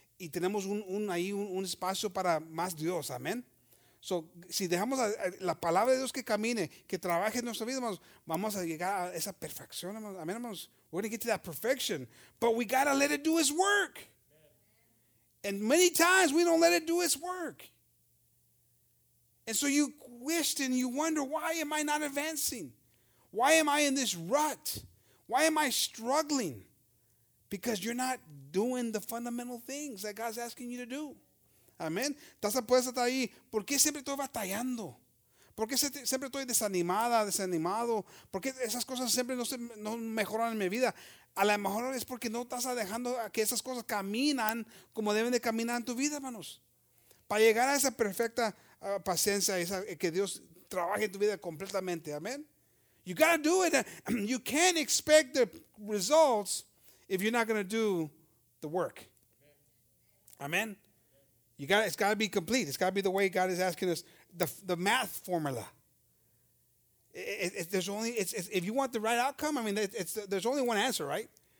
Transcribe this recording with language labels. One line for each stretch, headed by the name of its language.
Spanish: Y tenemos un espacio para más Dios, amén. So, si dejamos la palabra de Dios que camine, que trabaje en nuestra vida, hermanos, vamos a llegar a esa perfección, hermanos. Amén, hermanos.
English: We're going to get to that perfection, but we got to let it do its work. Amen. And many times we don't let it do its work. And so you wished and you wonder, why am I not advancing? Why am I in this rut? Why am I struggling? Because you're not doing the fundamental things that God's asking you to do.
Spanish: Amen. ¿Estás puesta ahí? ¿Por qué siempre estoy batallando? ¿Por qué siempre estoy desanimada, desanimado? ¿Por qué esas cosas siempre no mejoran en mi vida? A lo mejor es porque no estás dejando que esas cosas caminan como deben de caminar en tu vida, hermanos. Para llegar a esa perfecta paciencia, que Dios trabaje en tu vida completamente.
English: Amén. You got to do it. You can't expect the results if you're not going to do the work. Amén. It's got to be complete. It's got to be the way God is asking us. The math formula. If you want the right outcome, I mean, there's only one answer, right?